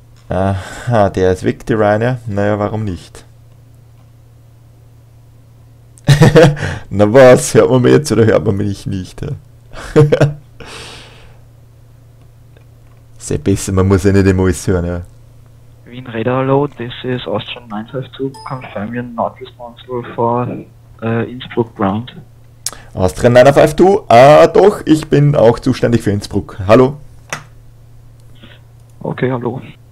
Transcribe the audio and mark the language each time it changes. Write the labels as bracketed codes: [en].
[de] Aha, der ist weg, die Rainer. Naja, warum nicht? Na was, hört man mich jetzt oder hört man mich nicht? Sehr besser, man muss ja nicht immer alles hören. Ja. [en] Wien Radar, hallo, this is Austrian 952, confirm you're not responsible for Innsbruck Ground. [de] Austrian 952, doch, ich bin auch zuständig für Innsbruck. Hallo. Okay, hallo.